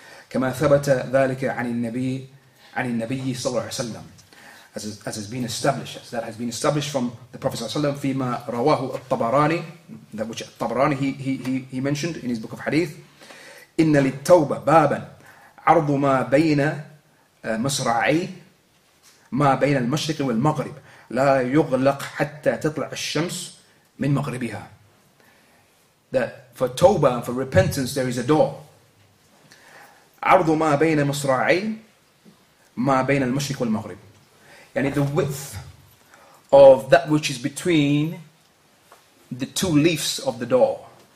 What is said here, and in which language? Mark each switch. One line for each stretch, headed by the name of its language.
Arabic: كَمَا ثَبَتَ ذَلِكَ عَنِ النَّبِيِّ صَلَّى اللَّهُ عَلَيْهِ وَسَلَّمْ
English: As has been established from the Prophet ﷺ,
Arabic: فيما رواه الطبراني,
English: that which الطبراني he mentioned in his book of hadith,
Arabic: إن للتوبة بابا عرض ما بين مصرعي ما بين المشرق والمغرب لا يغلق حتى تطلع الشمس من مغربها.
English: That for توبة and for repentance there is a door.
Arabic: عرض ما بين مصرعي ما بين المشرق والمغرب.
English: And the width of that which is between the two leaves of the door.